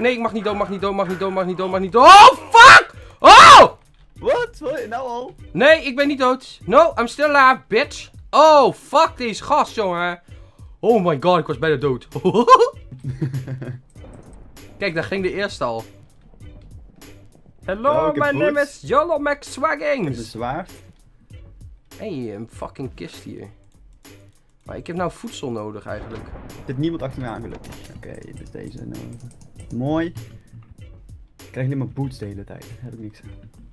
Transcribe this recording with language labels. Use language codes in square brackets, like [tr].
[nl] Nee, ik mag niet dood, mag niet dood, mag niet dood, mag niet dood, mag niet dood. Oh fuck! Oh! What? Wat? Nou al? Nee, ik ben niet dood. [en] No, I'm still alive, bitch. [nl] Oh fuck, deze gast, jongen. Oh my god, ik was bijna dood. Kijk, daar ging de eerste al. [en] Hello, oh, my name is Jolo Max Swaggings. [nl] Is het zwaard? Hey, een fucking kist hier. Maar ik heb nou voedsel nodig eigenlijk. Er zit niemand achter me aan gelukkig. Oké, dus deze nodig. Mooi. Ik krijg alleen maar boots de hele tijd. Daar heb ik niks aan.